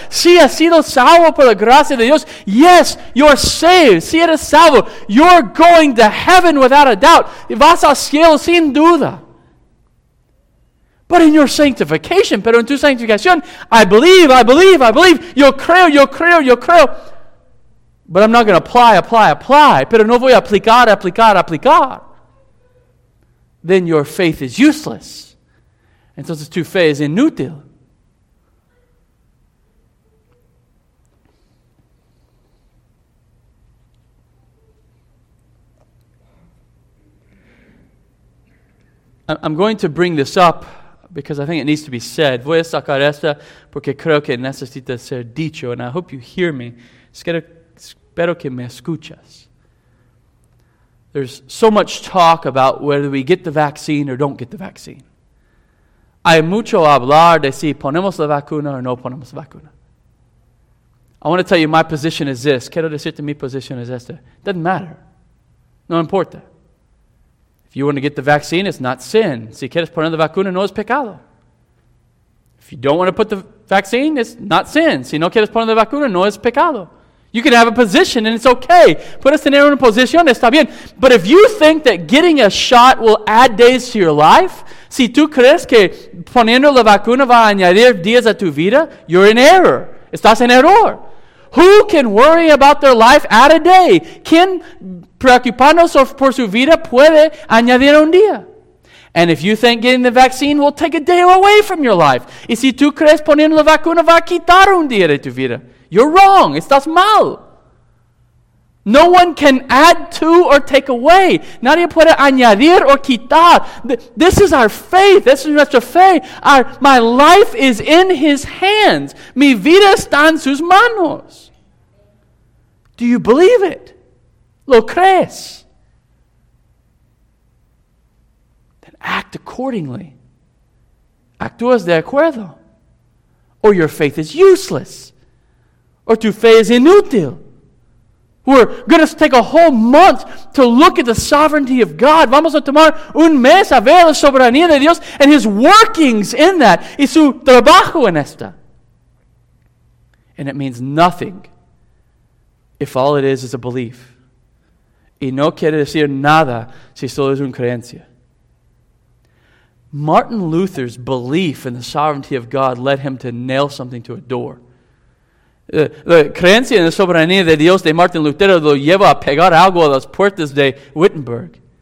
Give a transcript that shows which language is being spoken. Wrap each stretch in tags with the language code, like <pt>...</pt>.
<es>Sí, has sido salvo por la gracia de Dios.</es> <en>Yes, you're saved.</en> <es>Sí, eres salvo.</es> <en>You're going to heaven without a doubt.</en> <es>Vas al cielo sin duda.</es> <en>But in your sanctification,</en> <es>pero en tu santificación,</es> <en>I believe, I believe, I believe.</en> <es>Yo creo, yo creo, yo creo.</es> <en>But I'm not going to apply.</en> <es>Pero no voy a aplicar.</es> <en>Then your faith is useless.</en> <es>Entonces tu fe es inútil.</es> <en>I'm going to bring this up because I think it needs to be said.</en> <es>Voy a sacar esta porque creo que necesita ser dicho.</es> <en>And I hope you hear me.</en> <es>Espero que me escuchas.</es> <en>There's so much talk about whether we get the vaccine or don't get the vaccine.</en> <es>Hay mucho hablar de si ponemos la vacuna o no ponemos la vacuna.</es> <en>I want to tell you my position is this.</en> <es>Quiero decirte mi posición es esta.</es> <en>Doesn't matter.</en> <es>No importa.</es> <en>If you want to get the vaccine, it's not sin.</en> <es>Si quieres poner la vacuna, no es pecado.</es> <en>If you don't want to put the vaccine, it's not sin.</en> <es>Si no quieres poner la vacuna, no es pecado.</es> <en>You can have a position and it's okay.</en> <es>Puedes tener una posición, está bien.</es> <en>But if you think that getting a shot will add days to your life,</en> <es>si tú crees que poniendo la vacuna va a añadir días a tu vida,</es> <en>you're in error.</en> <es>Estás en error.</es> <en>Who can worry about their life at a day?</en> <es>¿Quién preocupándose por su vida puede añadir un día?</es> <en>And if you think getting the vaccine will take a day away from your life,</en> <es>y si tú crees poniendo la vacuna va a quitar un día de tu vida,</es> <en>you're wrong.</en> <es>Estás mal.</es> <en>No one can add to or take away.</en> <es>Nadie puede añadir o quitar.</es> <en>This is our faith.</en> <es>This is nuestra fe.</es> <en>My life is in His hands.</en> <es>Mi vida está en sus manos.</es> <en>Do you believe it?</en> <es>¿Lo crees?</es> <en>Then act accordingly.</en> <es>Actúas de acuerdo.</es> <en>Or your faith is useless.</en> <es>Or tu fe es inútil.</es> <en>We're going to take a whole month to look at the sovereignty of God.</en> <es>Vamos a tomar un mes a ver la soberanía de Dios</es> <en>and His workings in that.</en> <es>Y su trabajo en esta.</es> <en>And it means nothing if all it is a belief.</en> <es>Y no quiere decir nada si solo es una creencia.</es> <en>Martin Luther's belief in the sovereignty of God led him to nail something to a door.</en> <es>La creencia en la soberanía de Dios de Martin Lutero lo lleva a pegar algo a las puertas de Wittenberg.</es>